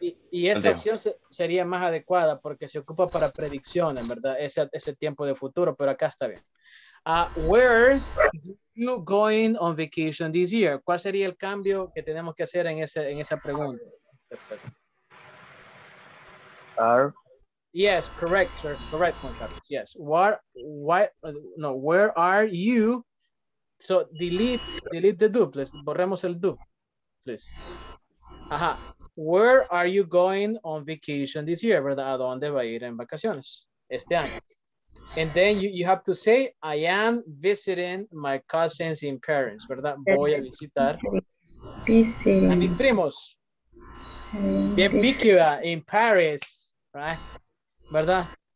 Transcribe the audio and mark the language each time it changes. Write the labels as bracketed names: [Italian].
[Spanish] Y esa acción sería más adecuada porque se ocupa para predicciones, ¿verdad? Ese tiempo de futuro, pero acá está bien. [English] Where do you going on vacation this year? [Spanish] ¿Cuál sería el cambio que tenemos que hacer en esa pregunta? [English] Are. Yes, correct, sir. Correct, contractors. Yes. Where are you? So delete the do, please. [Spanish] Borremos el do, [English] please. Ajá. Where are you going on vacation this year? [Spanish] ¿Verdad? ¿A dónde va a ir en vacaciones este año? [English] And then you have to say, I am visiting my cousins and parents, ¿verdad? [Spanish] Voy a visitar a mis primos. Bien, Piquiva, en París, right? ¿Verdad?